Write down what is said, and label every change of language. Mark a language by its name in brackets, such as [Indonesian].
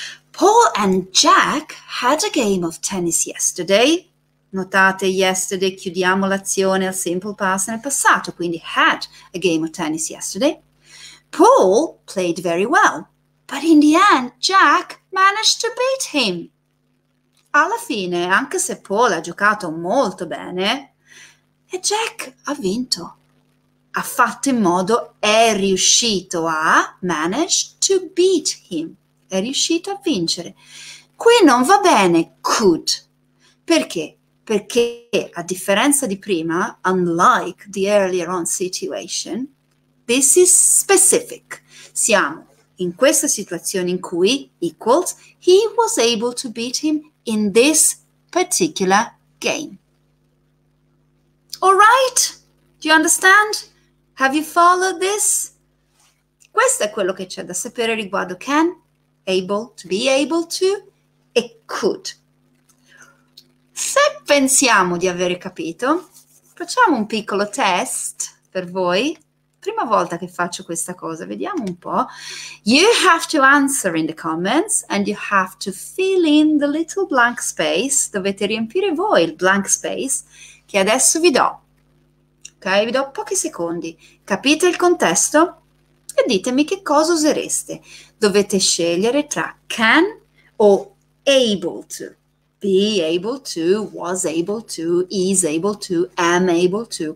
[English] Paul and Jack had a game of tennis yesterday. [Italian] Notate, yesterday, chiudiamo l'azione al simple past nel passato, quindi [English] had a game of tennis yesterday. Paul played very well, but in the end, Jack managed to beat him. [Italian] Alla fine, anche se Paul ha giocato molto bene, e Jack ha vinto. Ha fatto in modo, è riuscito a [English] manage to beat him. [Italian] È riuscito a vincere. Qui non va bene could. Perché? Perché a differenza di prima, [English] unlike the earlier on situation, this is specific. [Italian] Siamo in questa situazione in cui, [English] equals, he was able to beat him in this particular game. All right? Do you understand? Have you followed this? [Italian] Questo è quello che c'è da sapere riguardo can, able, to be able to, e could. Se pensiamo di avere capito, facciamo un piccolo test per voi. Prima volta che faccio questa cosa, vediamo un po'. [English] You have to answer in the comments and you have to fill in the little blank space. [Italian] Dovete riempire voi il blank space che adesso vi do. Ok, vi do pochi secondi. Capite il contesto? E ditemi che cosa usereste. Dovete scegliere tra can o able to. [English] Be able to, was able to, is able to, am able to.